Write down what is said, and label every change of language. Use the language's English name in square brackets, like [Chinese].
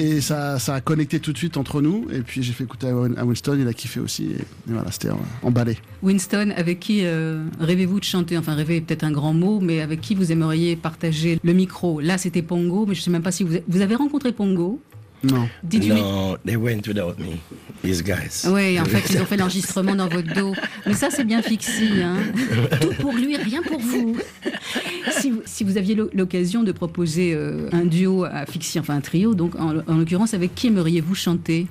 [French] Et ça a connecté tout de suite entre nous. Et puis, j'ai fait écouter à Winston. Il a kiffé aussi. Et voilà, c'était emballé. Winston, avec qui rêvez-vous de chanter? Enfin, rêver est peut-être un grand mot, mais avec qui vous aimeriez partager le micro? Là, c'était Pongo, mais je ne sais même pas si vous avez rencontré Pongo. [English] They went without me, these guys. [French] Oui, en fait, ils ont fait l'enregistrement dans votre dos. Mais ça, c'est bien Fixi, hein. Tout pour lui, rien pour vous. Si vous aviez l'occasion de proposer un duo à Fixi, enfin un trio, donc en l'occurrence, avec qui aimeriez-vous chanter?